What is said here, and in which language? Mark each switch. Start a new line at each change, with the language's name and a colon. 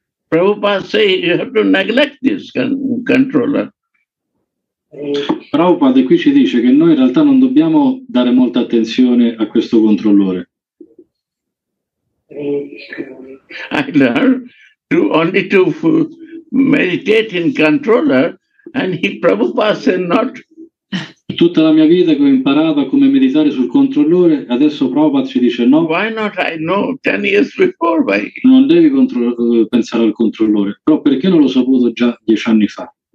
English: Prabhupada say you have to neglect this controller.
Italian: Prabhupada qui ci dice che noi in realtà non dobbiamo dare molta attenzione a questo controllore.
English: I learned to only to meditate in controller and he Prabhupada said not.
Italian: Tutta la mia vita che ho imparato a come meditare sul controllore, adesso Prabhupada ci dice no.
English: Why not? I know 10 years before. Why?
Italian: Non devi pensare al controllore. Però perché non l'ho saputo già 10 anni fa?